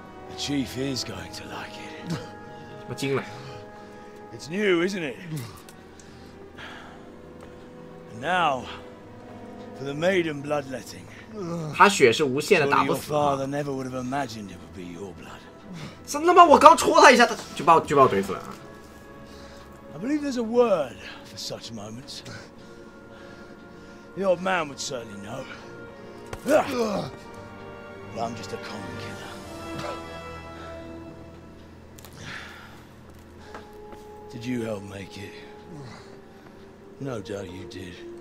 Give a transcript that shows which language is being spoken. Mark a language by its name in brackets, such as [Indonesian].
[English] The chief is going to like it. [Chinese] 什么精了？ [English] It's new, isn't it? And now, for the maiden bloodletting. [Chinese] 他血是无限的，打不死。 [English] Your father never would have imagined it would be your blood. [Chinese] 真的吗？我刚戳他一下，他就把我怼死了。 [English] I believe there's a word for such moments. The old man would certainly know. But I'm just a common killer. Did you help make it? No doubt you did.